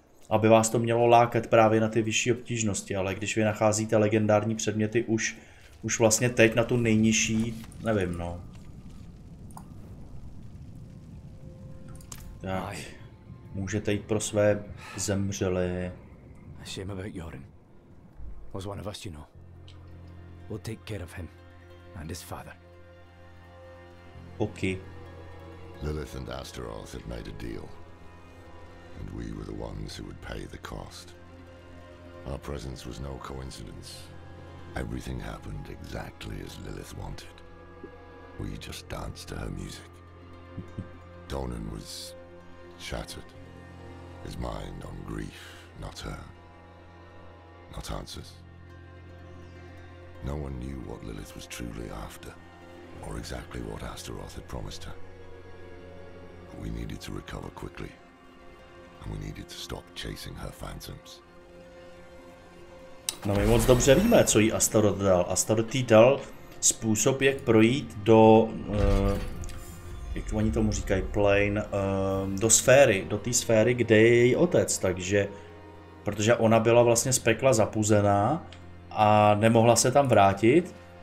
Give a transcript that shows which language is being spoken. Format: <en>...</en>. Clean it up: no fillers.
<cs>Aby vás to mělo lákat právě na ty vyšší obtížnosti, ale když vy nacházíte legendární předměty už vlastně teď na tu nejnižší, nevím, no. Tak, můžete jít pro své zemřelé.</cs> <en>Shame about Jorin. Was one of us, you know. We'll take care of him and his father. Okay. Lilith and Astaroth had made a deal. And we were the ones who would pay the cost. Our presence was no coincidence. Everything happened exactly as Lilith wanted. We just danced to her music. Donan was shattered. His mind on grief, not her. Not answers. No one knew what Lilith was truly after. Or exactly what Astaroth had promised her. But we needed to recover quickly. And we needed to stop chasing her phantoms.</en> <cs>No my moc dobře víme, co jí Astaroth dal. Astaroth jí dal způsob, jak projít do... jak oni tomu říkají, plane... do sféry, do té sféry, kde je její otec, takže... Protože ona byla vlastně z pekla zapuzená a nemohla se tam vrátit.</cs>